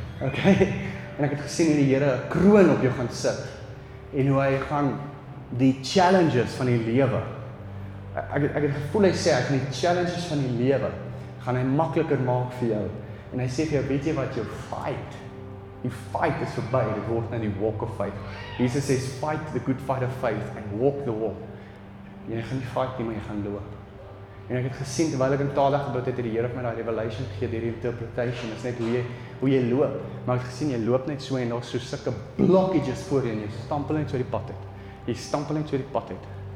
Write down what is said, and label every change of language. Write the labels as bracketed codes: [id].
[af] Okay, en ek het gesien hoe die Here 'n kroon op jou gaan sit, en hoe hy gaan die challenges van die lewe, ek het gevoel hy sê, ek die challenges van die lewe, gaan hy makliker maak vir jou, en hy sê vir jou, weet jy wat, jou fight, die fight is verby, dit word nou die walk of faith. Jesus sê, [en] fight the good fight of faith and walk the walk. [af] Jy gaan nie fight nie, maar jy gaan loop. En ek het gesien, terwyl ek in tale gebid het, die Here het my daai revelation gegee, die interpretation, is net hoe jy loop. Maar ek het gesien, jy loop net so en daar is so sulke blockages voor jou en jy stampel net so die pad uit. Jy stampel net so die pad uit.